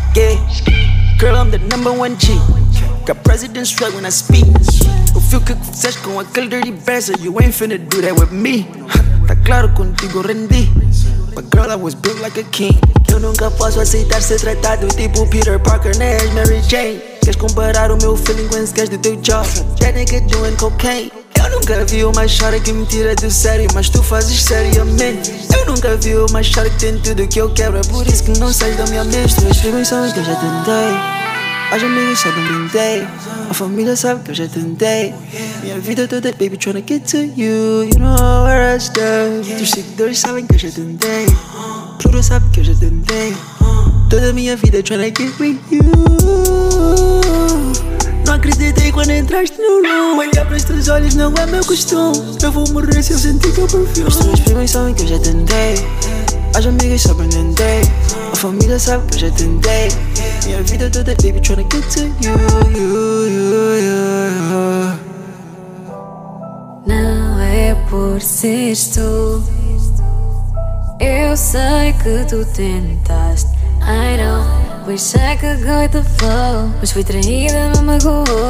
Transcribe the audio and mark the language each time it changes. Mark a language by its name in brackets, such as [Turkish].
[English] Yeah, girl, I'm the number one G. Got president's right when I speak. [Portuguese] O fio que fizeste com aquele [English] dirty bastard, you ain't finna do that with me. [Portuguese] Tá claro contigo, rendi. [English] But girl, I was built like a king. [Portuguese] Eu nunca posso aceitar ser tratado tipo Peter Parker, né? És Mary Jane. Queres comparar o meu feeling com esse gajo do teu job? [English] That nigga doing cocaine. [Portuguese] Eu nunca vi uma chora que me tira do sério, mas tu fazes seriamente. Eu nunca vi uma chora que tem tudo que eu quero. É por isso que não sais da minha mente. Tuas primas sabem que eu já tentei. As amigas sabem que eu tentei. A família sabe que eu já tentei. Minha vida toda, [English] baby, tryna get to you. You know where I stay. [Portuguese] Tus seguidores sabem que eu já tentei. Pluro sabe que eu já tentei. Toda a minha vida [English] tryna get with you. [Portuguese] Não acreditei quando entraste no room. Olhar para os teus olhos não é meu costume. Eu vou morrer se eu sentir teu perfume. As tuas primas sabem que eu já tentei. As amigas sabem que eu tentei. A família sabe que eu já tentei. Minha vida toda, [English] baby, tryna get to you, you, you, you. [Portuguese] Não é por seres tu. Eu sei que tu tentaste. [English] I know, wish I could go with the flow. [Portuguese] Mas fui traída, me magoou.